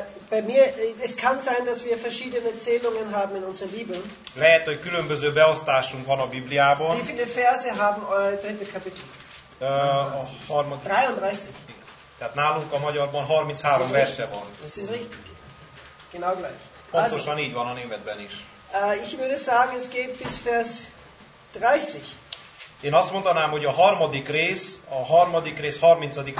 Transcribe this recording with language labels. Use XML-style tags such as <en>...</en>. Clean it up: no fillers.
<de>Bei mir, es kann sein, dass wir verschiedene Zählungen haben in unserer Bibel.</de> <hu>Lehet, hogy különböző beosztásunk van a Bibliában.</hu> <de>Wie viele Verse haben euer dritte Kapitel? 33.</de> <hu>Tehát nálunk a magyarban 33 verse van.</hu> <de>Das ist richtig. Genau gleich.</de> <hu>Pontosan így van a németben is.</hu> <de>Ich würde sagen, es geht bis Vers 30.</de> <hu>Én azt mondanám, hogy a harmadik rész 30.</hu>